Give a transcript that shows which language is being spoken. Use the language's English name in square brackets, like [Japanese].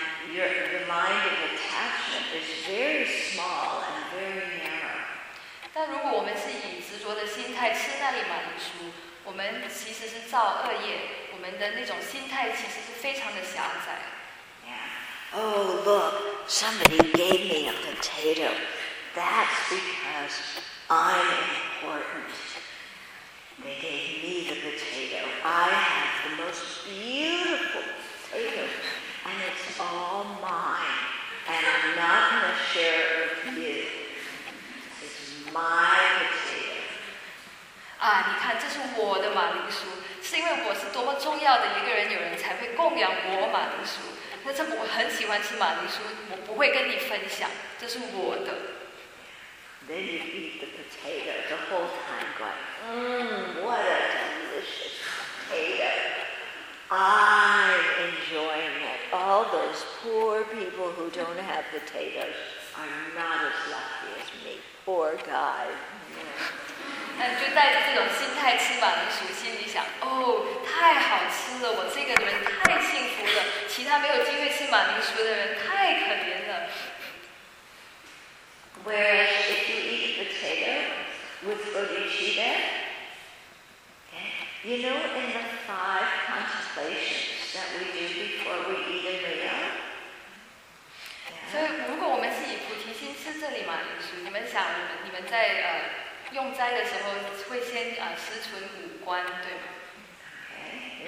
[English] You know, and the mind of attachment is very small and very narrow. [Chinese] 但如果我们是以执着的心态吃那粒马铃薯，我们其实是造恶业，我们的那种心态其实是非常的狭窄。 [English] Yeah. Oh, look, somebody gave me a potato. That's because I'm important. They gave me the potato. I have the most beautiful potato, and it's all mine, and I'm not going to share it with you. My potato. [Chinese] 啊，你看，这是我的马铃薯，是因为我是多么重要的一个人，有人才会供养我马铃薯。那这我很喜欢吃马铃薯，我不会跟你分享，这是我的。 [English] Then you eat the potato the whole time, going, what a delicious potato! I'm enjoying it. All those poor people who don't have potatoes are not as lucky as me. Poor guy. [Chinese] 那你就带着这种心态吃马铃薯，心里想：哦，太好吃了！我这个人太幸福了，其他没有机会吃马铃薯的人太可怜了。 [English] Whereas if you eat potato with bodhicitta, you know, in the five contemplations that we do before we eat a meal. [Chinese] 所以，如果我们是以菩提心吃这粒马铃薯，你们想，你们在用斋的时候会先思存五观，对吗